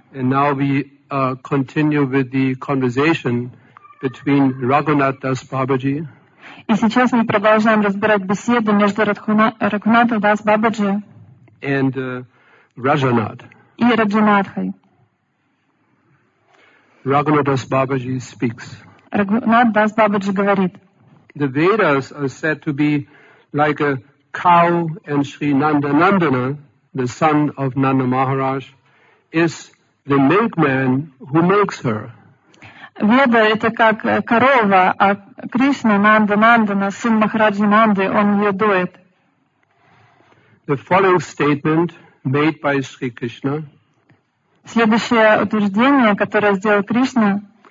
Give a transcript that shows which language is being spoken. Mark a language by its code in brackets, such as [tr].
[en] And now we continue with the conversation between Raghunath Das Babaji. [ru] И сейчас мы продолжаем разбирать беседу между Рагхунатом Дас Бабаджи [en] and Rajanath. [ru] И Раджанатхой. [en] Raghunath Das Babaji speaks. [ru] Рагхунатх Дас Бабаджи говорит. [en] The Vedas are said to be like a cow, and Sri Nandanandana, the son of Nanda Maharaj, is the milkman who milks her. [ru] Веда — это как корова, а Кришна, Нанда-Нандана, сын Махараджи Нанды, он ее доит. [en] The following statement made by Sri Krishna, [ru] следующее утверждение, которое сделал Кришна,